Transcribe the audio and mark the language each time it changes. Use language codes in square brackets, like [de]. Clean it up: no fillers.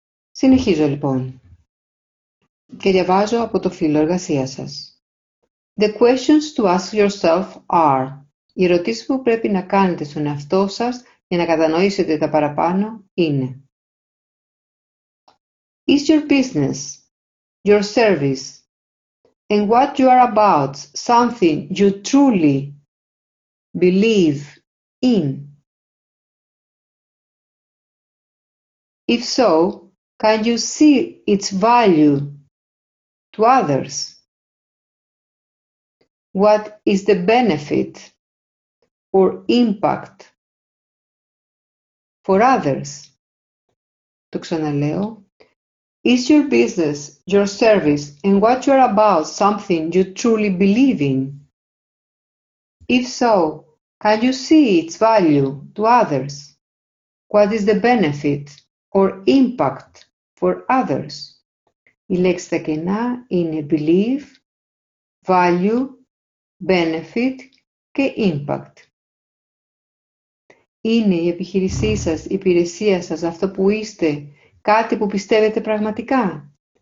[el] Συνεχίζω λοιπόν. Και διαβάζω από το φύλλο εργασία σας. [en] The questions to ask yourself are... [el] Οι ερωτήσεις που πρέπει να κάνετε στον εαυτό σας για να κατανοήσετε τα παραπάνω είναι... [en] Is your business, your service, and what you are about something you truly believe in? If so, can you see its value to others? What is the benefit or impact for others? [el] Το ξαναλέω. [en] Is your business, your service, and what you are about something you truly believe in? If so, can you see its value to others? What is the benefit or impact for others? [el] Οι λέξεις στα κενά είναι believe, value, benefit και impact. Είναι η επιχείρησή σας, η υπηρεσία σας, αυτό που είστε, κάτι που πιστεύετε πραγματικά?